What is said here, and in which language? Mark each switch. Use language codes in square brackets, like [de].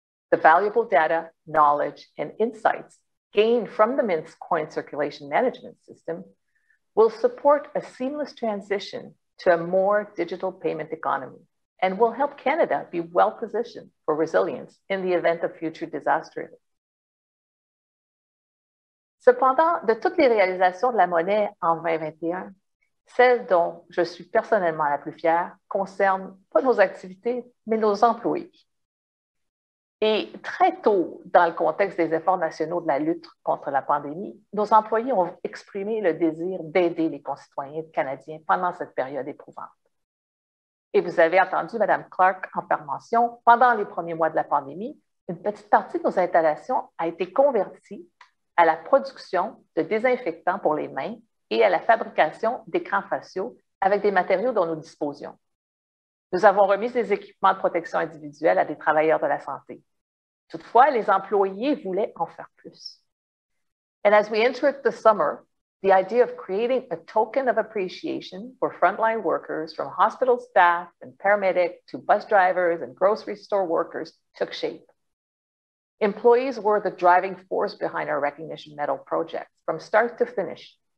[en] The valuable data, knowledge, and insights gained from the Mint's coin circulation management system will support a seamless transition to a more digital payment economy and will help Canada be well positioned for resilience in the event of future disaster. [fr] Cependant, de toutes les réalisations de la Monnaie en 2021, celle dont je suis personnellement la plus fière concerne pas nos activités, mais nos employés. Et très tôt, dans le contexte des efforts nationaux de la lutte contre la pandémie, nos employés ont exprimé le désir d'aider les concitoyens canadiens pendant cette période éprouvante. Et vous avez entendu Mme Clark en faire mention, pendant les premiers mois de la pandémie, une petite partie de nos installations a été convertie à la production de désinfectants pour les mains et à la fabrication d'écrans faciaux avec des matériaux dont nous disposions. Nous avons remis des équipements de protection individuelle à des travailleurs de la santé. Toutefois, les employés voulaient en faire plus. [en] And as we entered the summer, the idea of creating a token of appreciation for frontline workers from hospital staff and paramedic to bus drivers and grocery store workers took shape. Employees were the driving force behind our recognition medal project from start to finish.